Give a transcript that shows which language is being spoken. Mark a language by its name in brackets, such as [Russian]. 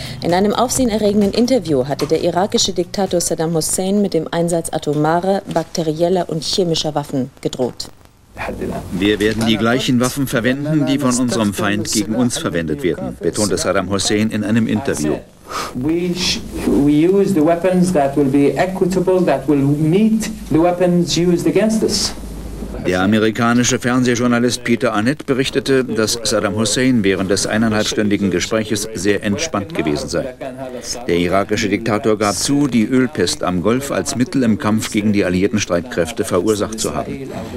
[German] In einem aufsehenerregenden Interview hatte der irakische Diktator Saddam Hussein mit dem Einsatz atomarer, bakterieller und chemischer Waffen gedroht. Wir werden die gleichen Waffen verwenden, die von unserem Feind gegen uns verwendet werden, betonte Saddam Hussein in einem Interview. [English] We use the weapons that will be equitable, that will meet the weapons used against us. [German] Der amerikanische Fernsehjournalist Peter Annett berichtete, dass Saddam Hussein während des eineinhalbstündigen Gespräches sehr entspannt gewesen sei. Der irakische Diktator gab zu, die Ölpest am Golf als Mittel im Kampf gegen die alliierten Streitkräfte verursacht zu haben.